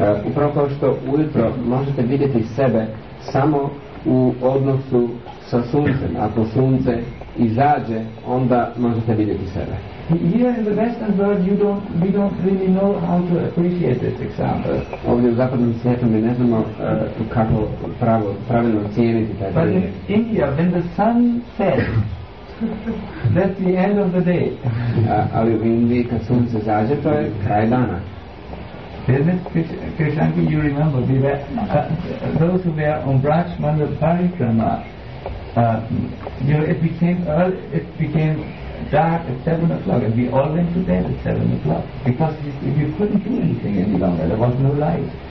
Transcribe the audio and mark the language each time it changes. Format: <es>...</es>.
<hr>Upravo kao što ujutro možete vidjeti sebe samo u odnosu sa suncem. Ako sunce izađe, onda možete vidjeti sebe.</hr> <en>Here in the Western world we don't really know how to appreciate this example.</en> <hr>Ovdje u zapadnom svijetu mi ne znamo kako pravilno cijeniti taj primjer.</hr> <en>But in India, when the sun sets, that's the end of the day.</en> <hr>Ali u Indiji kad sunce izađe, to je kraj dana.</hr> <en>Isn't it, Krishanki, you remember, we were, those who were on Braj Mandal Parikrama, it became dark at 7 o'clock, and we all went to bed at 7 o'clock, because you couldn't do anything any longer, there was no light.</en>